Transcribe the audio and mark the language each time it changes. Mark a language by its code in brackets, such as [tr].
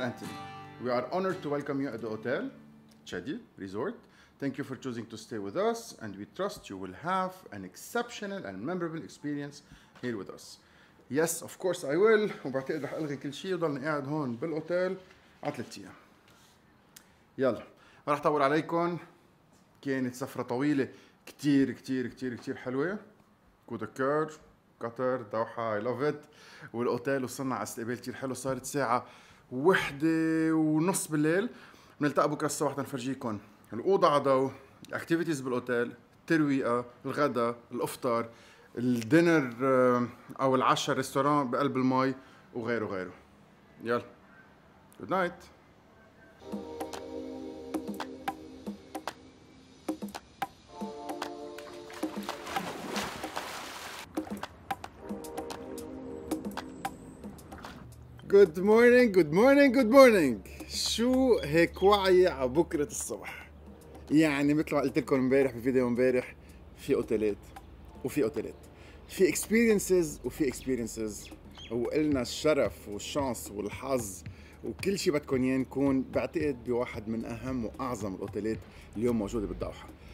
[en] Anthony, we are honored to welcome you at the hotel, Chedi Resort. Thank you for choosing to stay with us, and we trust you will have an exceptional and memorable experience here with us. Yes, of course I will. [ar] وبعتقد رح ألغي كل شيء وضلني قاعد هون بالأوتيل على ثلاث أيام. يلا، ما رح أطول عليكم. كانت سفرة طويلة، كتير كتير كتير كتير حلوة. كودكار، قطر، دوحة، [en] I love it. [ar] والأوتيل وصلنا على استقبال كتير حلو، صارت ساعة وحدة ونص بالليل. بنلتقى بكرة الصبح تنفرجيكم الأوضة على ضو، الأكتيفيتيز بالأوتيل، الترويقة، الغداء، الأفطار، الدينر أو العشاء، الريستوران بقلب المي، وغيره غيره. يلا [en] Good night. Good morning, good morning, good morning. [ar] شو هيك وعي على بكرة الصبح؟ يعني مثل ما قلت لكم امبارح بفيديو امبارح، في اوتيلات وفي اوتيلات، في اكسبيرينسز وفي اكسبيرينسز، وقلنا الشرف والشانس والحظ وكل شيء بدكم اياه نكون بعتقد بواحد من اهم واعظم الاوتيلات اليوم موجوده بالدوحه.